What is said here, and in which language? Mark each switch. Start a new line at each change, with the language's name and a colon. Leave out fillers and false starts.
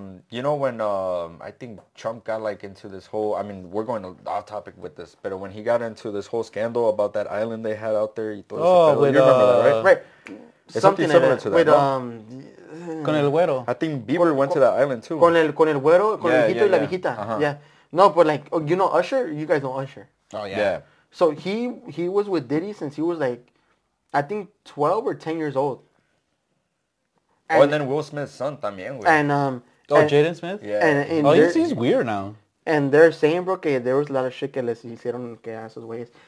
English: You know when I think Trump got like into this whole. I mean, we're going off topic with this, but when he got into this whole scandal about that island they had out there, you remember that, right? Right. It's something similar to that. With, huh?
Spanish: Con el güero.
English: I think Bieber went to that island too.
Spanish: Con el güero, con el hijito y la viejita.
English: Yeah. No, but like you know Usher. You guys know Usher. Oh, yeah. So he was with Diddy since he was, like, I think 12 or 10 years old. And then Will Smith's son, también. And, Jaden Smith? Yeah. And he's weird now. And they're saying, bro, que there was a lot of shit
Spanish: que les hicieron que a esos güeyes.